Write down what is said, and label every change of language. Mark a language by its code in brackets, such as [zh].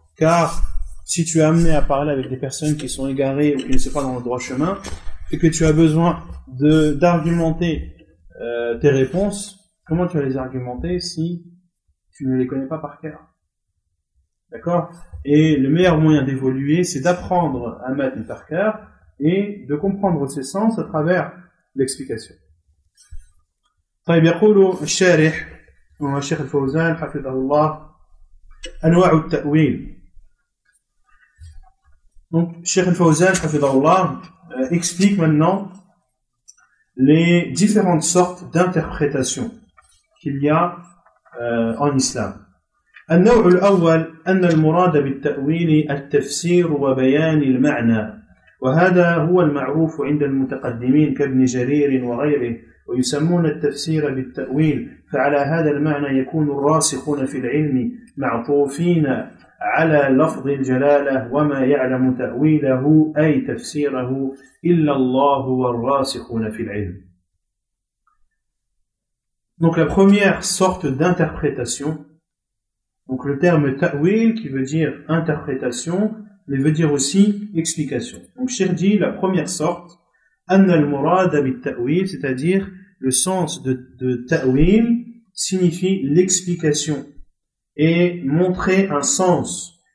[fr] Car si tu es amené à parler avec des personnes qui sont égarées ou qui ne sont pas dans le droit chemin, et que tu as besoin d'argumenter tes réponses, comment tu vas les argumenter si tu ne les connais pas par cœur? D'accord? Et le meilleur moyen d'évoluer, c'est d'apprendre à mettre par cœur et de comprendre ses sens à travers l'explication. [ar] طيب يقول الشارح وهو الشيخ الفوزان حفظه الله أنواع التأويل. [fr] Donc الشيخ الفوزان [ar] حفظه الله [fr] explique maintenant les différentes sortes d'interprétations qu'il y a en islam. [ar] النوع الأول أن المراد بالتأويل التفسير وبيان المعنى وهذا هو المعروف عند المتقدمين كابن جرير وغيره ويسمون التفسير بالتأويل فعلى هذا المعنى يكون الراسخون في العلم معطوفين على لفظ الجلالة وما يعلم تأويله أي تفسيره إلا الله والراسخون في العلم. [fr] Donc la première sorte d'interprétation, donc le terme ta'wil qui veut dire interprétation, mais veut dire aussi explication. Donc Cheikh dit la première sorte, [ar] an al-murada bi ta'wil, [fr] c'est-à-dire le sens de ta'wil signifie l'explication et montrer un sens.